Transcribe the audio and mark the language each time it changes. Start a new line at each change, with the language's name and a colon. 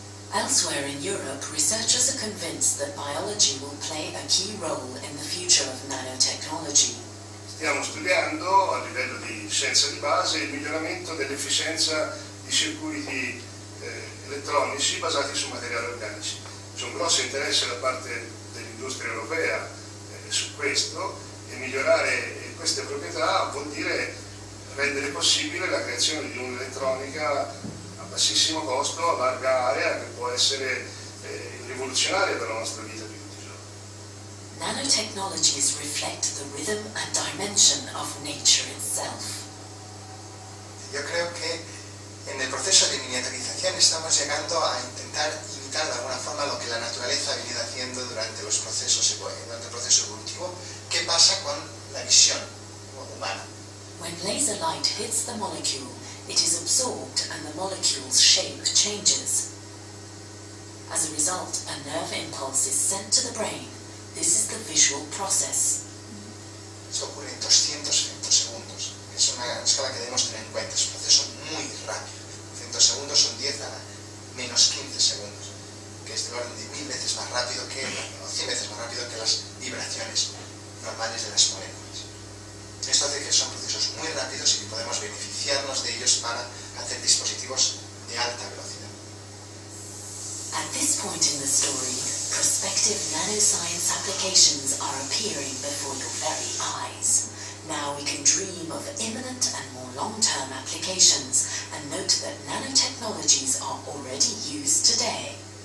English: Elsewhere in Europe, researchers are convinced that biology will play a key role in the future of nanotechnology.
Italian: Stiamo studiando a livello di scienza di base il miglioramento dell'efficienza di circuiti elettronici basati su materiali organici. C'è un grosso interesse da parte dell'industria europea su questo e migliorare queste proprietà vuol dire rendere possibile la creazione di un'elettronica a bassissimo costo, a larga area, che può essere rivoluzionaria per la nostra vita.
English: Nanotechnologies reflect the rhythm and dimension of nature itself.
Spanish: Yo creo que en el proceso de miniaturización estamos llegando a intentar imitar de alguna forma lo que la naturaleza ha venido haciendo durante los procesos durante el proceso evolutivo. ¿Qué pasa con la visión humana?
English: When laser light hits the molecule, it is absorbed and the molecule's shape changes. As a result, a nerve impulse is sent to the brain. This is the visual process.
Spanish: Eso ocurre en 200 femtosegundos. Es una escala que debemos tener en cuenta. Es un proceso muy rápido. Femtosegundos son 10 a menos 15 segundos, que es del orden de 1000 veces más rápido que, o 100 veces más rápido que las vibraciones normales de las moléculas. Esto hace que son procesos muy rápidos y que podemos beneficiarnos de ellos para hacer dispositivos de alta velocidad.
English: At this point in the story, prospective nanoscience applications are appearing before your very eyes. Now we can dream of imminent and more long-term applications and note that nanotechnologies are already used today.